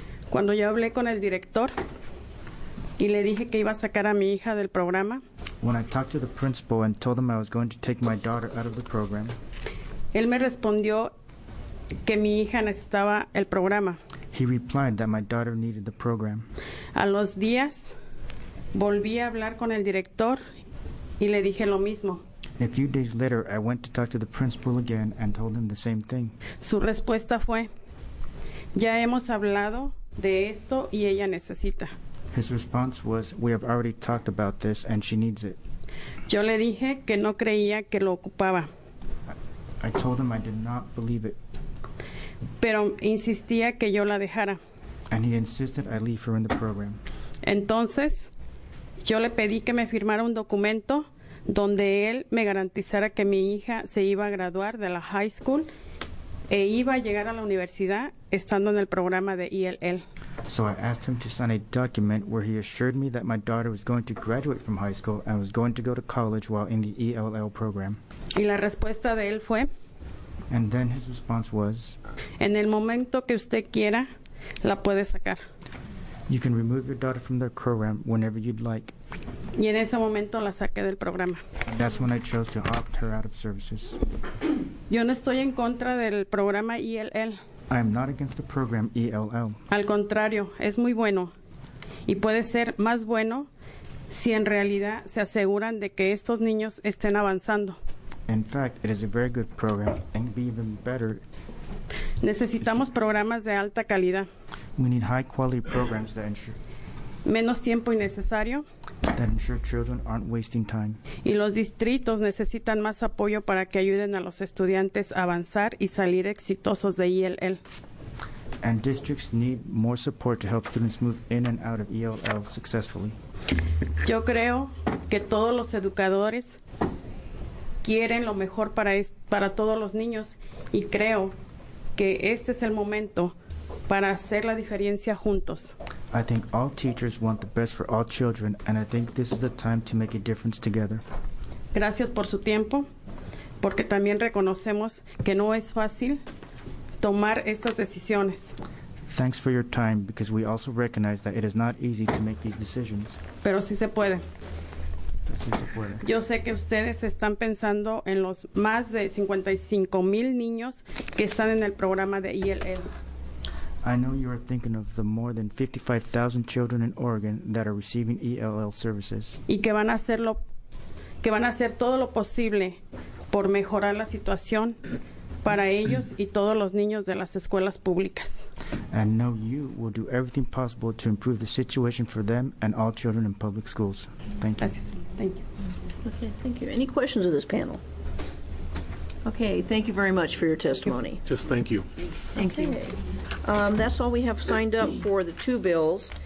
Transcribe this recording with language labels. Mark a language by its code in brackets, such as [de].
[es] Cuando yo hablé con el director y le dije que iba a sacar a mi hija del programa, [en] when I talked to the principal and told him I was going to take my daughter out of the program, [es] él me respondió que mi hija necesitaba el programa. [en] He replied that my daughter needed the program. [es] A los días volví a hablar con el director y le dije lo mismo. [en] A few days later, I went to talk to the principal again and told him the same thing. [es] Su respuesta fue, ya hemos hablado de esto y ella necesita. [en] His response was, we have already talked about this and she needs it. [es] Yo le dije que no creía que lo ocupaba. [en] I told him I did not believe it. [es] Pero insistía que yo la dejara. [en] And he insisted I leave her in the program. [es] Entonces, yo le pedí que me firmara un documento donde él me garantizara que mi hija se iba a graduar de la [en] high school [es] e iba a llegar a la universidad estando en el programa de ELL. [en] So I asked him to sign a document where he assured me that my daughter was going to graduate from high school and was going to go to college while in the ELL program. [es] Y la respuesta de él fue, [en] and then his response was, [es] en el momento que usted quiera, la puede sacar. [en] You can remove your daughter from their program whenever you'd like. [es] Y en ese momento la saqué del programa. [en] That's when I chose to opt her out of services. [es] Yo no estoy en contra del programa ELL. [en] I am not against the program ELL. [es] Al contrario, es muy bueno. Y puede ser más bueno si en realidad se aseguran de que estos niños estén avanzando. [en] In fact, it is a very good program and be even better. [es] Necesitamos programas de alta calidad. [en] We need high quality programs that ensure [es] menos tiempo innecesario. [en] That ensure children aren't wasting time. [es] Y los distritos necesitan más apoyo para que ayuden a los estudiantes a avanzar y salir exitosos de ELL. [en] And districts need more support to help students move in and out of ELL successfully. [es] Yo creo que todos los educadores quieren lo mejor para todos los niños, y creo que este es el momento para hacer la diferencia juntos. [en] I think all teachers want the best for all children, and I think this is the time to make a difference together. [es] Gracias por su tiempo, porque también reconocemos que no es fácil tomar estas decisiones. [en] Thanks for your time, because we also recognize that it is not easy to make these decisions. [es] Pero sí se puede. Sí se puede. Yo sé que ustedes están pensando en los más de 55,000 niños que están en el programa de ELL. [en] I know you are thinking of the more than 55,000 children in Oregon that are receiving ELL services. [es] Y que van a hacer todo lo posible por mejorar la situación para ellos y todos los niños de las escuelas públicas. [en] I know you will do everything possible to improve the situation for them and all children in public schools. Thank you. [es] Gracias. [en] Thank you. Okay, thank you. Any questions of this panel? Okay, thank you very much for your testimony. Just thank you. Thank you. That's all we have signed up for the two bills.